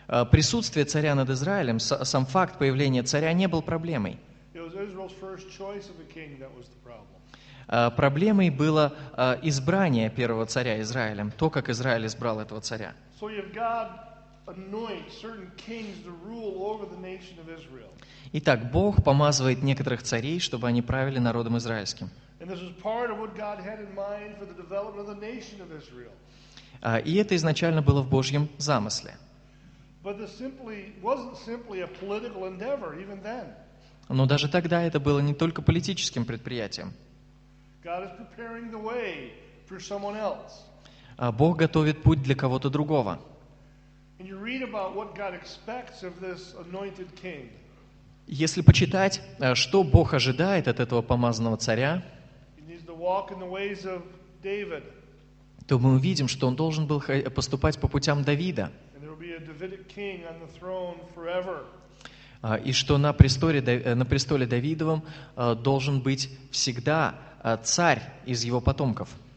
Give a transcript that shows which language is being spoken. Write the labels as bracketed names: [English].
[Russian] присутствие царя над Израилем, сам факт появления царя не был проблемой. [English] It was Israel's first choice of a king that was the problem. [Russian] Проблемой было избрание первого царя Израилем, то, как Израиль избрал этого царя. [English] So if God anoints certain kings to rule over the nation of Israel. [Russian] Итак, Бог помазывает некоторых царей, чтобы они правили народом израильским. [English] And this was part of what God had in mind for the development of the nation of Israel. [Russian] И это изначально было в Божьем замысле. [English] But this simply wasn't simply a political endeavor, even then. [Russian] Но даже тогда это было не только политическим предприятием. [English] God is preparing the way for someone else. [Russian] Бог готовит путь для кого-то другого. [English] And you read about what God expects of this anointed king. [Russian] Если почитать, что Бог ожидает от этого помазанного царя, [English] he needs to walk in the ways of David. [Russian] То мы увидим, что он должен был поступать по путям Давида. [English] And there will be a Davidic king on the throne forever. [Russian] И что на престоле Давидовом должен быть всегда царь из его потомков.